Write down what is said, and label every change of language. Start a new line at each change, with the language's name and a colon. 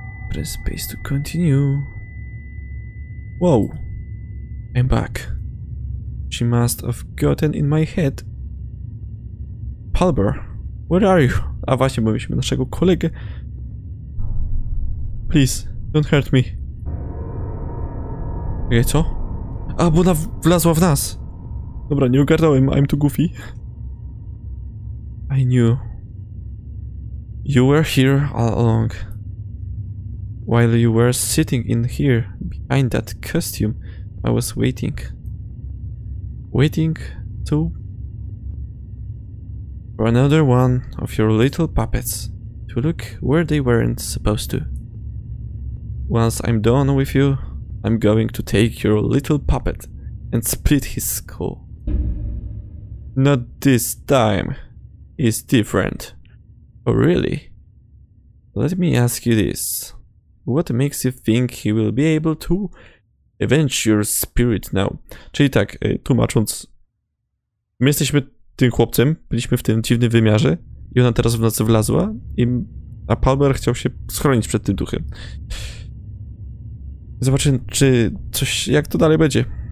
English: Press space to continue. Wow. I'm back. She must have gotten in my head. Palber, where are you?
Polish: A właśnie, bo mieliśmy naszego kolegę.
English: Please, don't hurt me.
Polish: Okej, co? A, bo ona wlazła w nas. Dobra, nie ogarnąłem,
English: I'm too goofy. I knew. You were here all along. While you were sitting in here, behind that costume, I was waiting. Waiting to... for another one of your little puppets to look where they weren't supposed to. Once I'm done with you, I'm going to take your little puppet and split his skull. Not this time. It's different. Oh, really? Let me ask you this. What makes you think he will be able to avenge your spirit now?
Polish: Czyli tak, tłumacząc. My jesteśmy tym chłopcem, byliśmy w tym dziwnym wymiarze i ona teraz w nas wlazła, a Palmer chciał się schronić przed tym duchem. Zobaczymy, czy coś, jak to dalej będzie.